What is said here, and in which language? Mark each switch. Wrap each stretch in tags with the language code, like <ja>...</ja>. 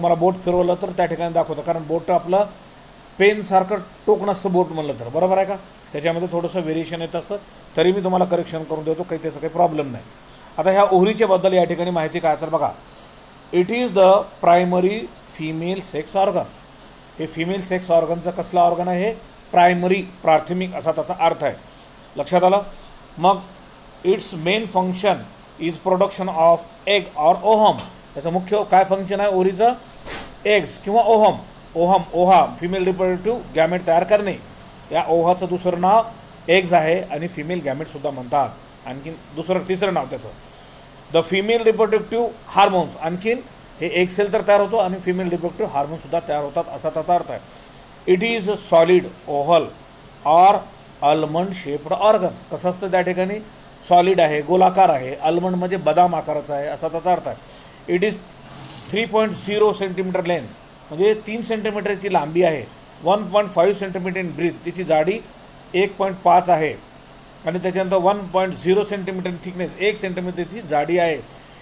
<mr>मला बोट फिरवलं तर त्या ठिकाणी दाखवतं, कारण बोट आपलं पेनसारखं टोक नसतं बोट म्हणलं तर, बरोबर आहे का, त्याच्यामध्ये थोडंसं व्हेरिएशन येत असतं, तरी मी तुम्हाला करेक्शन करून देतो, काही त्याचा काही प्रॉब्लेम नाही. आता ह्या ओहरीच्याबद्दल या ठिकाणी माहिती काय, तर बघा,</mr> <en>It is the primary female sex organ.</en> <mr>हे फिमेल सेक्स ऑर्गनचं कसला ऑर्गन आहे, प्रायमरी, प्राथमिक असा त्याचा अर्थ आहे, लक्षात आलं.</mr> <en>मग it's main function is production of egg or ovum.</en> <mr>त्याचं मुख्य काय फंक्शन आहे ओहरीचं, एग्स किंवा ओहम, ओहम ओहा फिमेल रिप्रोडक्टिव्ह गॅमेट तयार करणे, या ओहाचं दुसरं नाव एग्ज आहे, आणि फिमेल गॅमेटसुद्धा म्हणतात आणखीन दुसरं तिसरं नाव त्याचं,</mr> <en>The female reproductive hormones.</en> <mr>आणखीन हे एग सेल तर तयार होतो आणि फिमेल रिप्रोडक्टिव्ह हार्मोन्ससुद्धा तयार होतात असा त्याचा अर्थ आहे.</mr> <en>It is a solid oval or almond shaped organ.</en> <mr>कसं असतं त्या ठिकाणी, सॉलिड आहे, गोलाकार आहे, अल्मंड म्हणजे बदाम आकाराचा आहे असा त्याचा अर्थ आहे.</mr> <en>it is 3.0 centimetre length,</en> <mr>म्हणजे 3 सेंटीमीटरची लांबी आहे,</mr> <en>1.5 centimetre in breadth,</en> <mr>त्याची जाडी 1.5 आहे, आणि त्याच्यानंतर</mr> <en>1.0 centimetre in thickness,</en> <mr>1 सेंटीमीटरची जाडी आहे.</mr>